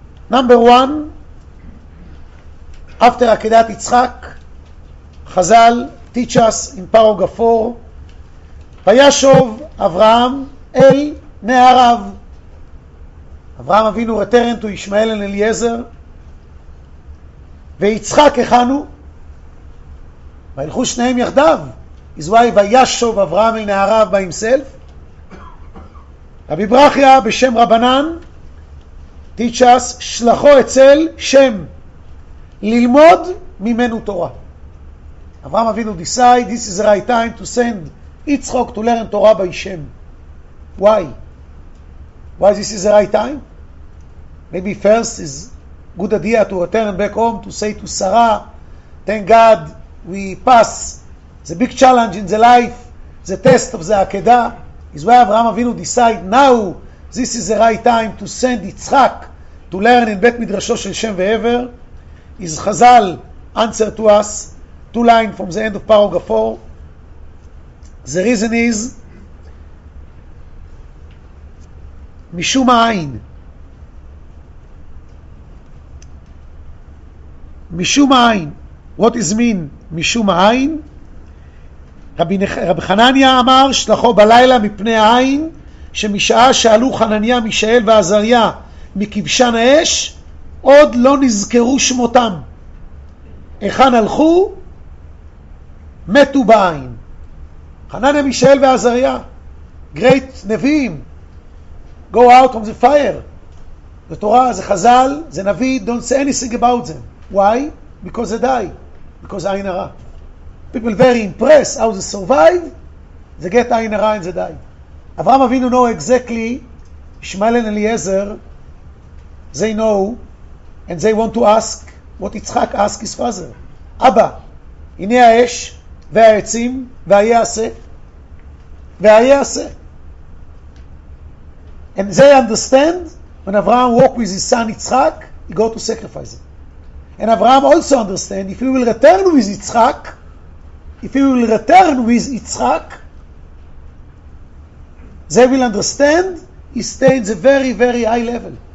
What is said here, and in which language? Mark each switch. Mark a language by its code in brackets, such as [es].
[en] Number one, after Akedat Yitzchak, Chazal teach us in Parag 4, [he] Vayashov Avraham El Ne'arav. [en] Avraham Avinu returned to Ishmael and Eliezer, [he] ויצחק הכנו והלכו שניהם יחדיו. [en] is why [he] וישוב אברהם אל נעריו [en] by himself. [he] רבי ברכיה בשם רבנן [en] teach us [he] שלחו אצל שם ללמוד ממנו תורה. [en] אברהם אבינו decide this is the right time to send יצחק to learn תורה by שם. why this is the right time? Maybe first is good idea to return back home to say to Sarah, thank God we pass the big challenge in the life, the test of the Akedah. Is why Avraham Avinu decide now this is the right time to send Yitzchak to learn in Bet Midrasho Shel Shem Ve'ever. Is Chazal answer to us two lines from the end of Parag 4. The reason is Mishum Ha'ayin. [he] משום העין. [en] What is mean [he] משום העין? רבי חנניה אמר שלחו בלילה מפני העין, שמשעה שאלו חנניה מישאל ועזריה מכבשן האש עוד לא נזכרו שמותם, איכן הלכו? מתו בעין. [en] חנניה מישאל ועזריה, great נביאים, go out from the fire. [he] זה תורה, זה חזל, זה נביא, [en] don't say anything about them. Why? Because they die. Because Ayin Hara. People very impressed how they survive. They get Ayin Hara and they die. Avraham Avinu know exactly Ishmael and Eliezer, they know and they want to ask what Yitzchak asked his father. [he] Abba, הנה האש והעצים והיעשה. [en] And they understand when Avraham walk with his son Yitzchak, he go to sacrifice it. And Avraham also understand if he will return with Yitzchak, they will understand he stays in a very, very high level.